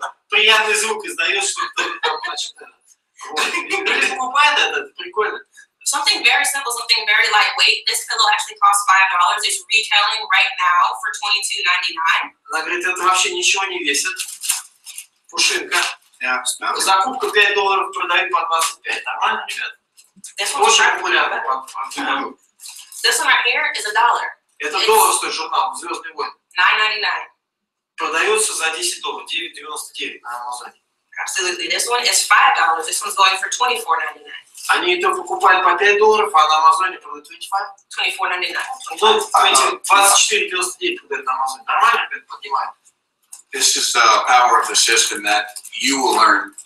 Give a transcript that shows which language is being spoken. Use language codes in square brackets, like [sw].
[ru] Приятный звук издаёшь, что кто-то начинает. Покупает этот, прикольно. [en] Something very simple, something very lightweight. This pillow actually costs $5. It's retailing right now for $22.99. [ru] Она говорит, это вообще ничего не весит. Пушинка. [en] Yeah, [ru] закупка $5 продают по 25. Нормально, ребят? [en] This one's [ru] очень популярно. [en] This one right here is $1. [ru] Это доллар стоит журнал «Звездный войн». [en] $9.99. [ru] Продается за $10, $9.99 на Амазоне. [en] Absolutely. This one is $5. This one's going for $24.99. [ru] Они это покупают по $5, а на Амазоне продают $24.99. $24.99 продают на Амазоне. Нормально, ребят, поднимают. [en] This is the power of the system that you will learn.